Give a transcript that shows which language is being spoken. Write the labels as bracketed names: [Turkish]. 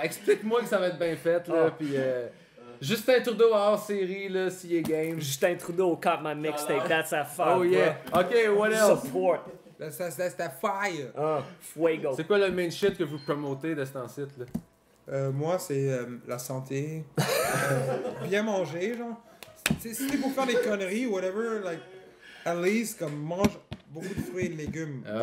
[French] Explique-moi que ça va être bien fait là. Justin Trudeau en hors série là, s'il est game. [English] Justin Trudeau caught my mixtape, that's a fire. Oh yeah. Ok, what else? Support. C'est a fire. [Spanish] Fuego. [French] C'est quoi le [English] main shit [French] que vous promotez de cet site là? Moi c'est la santé. Bien manger, genre. Si c'est pour faire des conneries, [English] whatever, like. At least, [French] comme mange beaucoup de fruits et de légumes.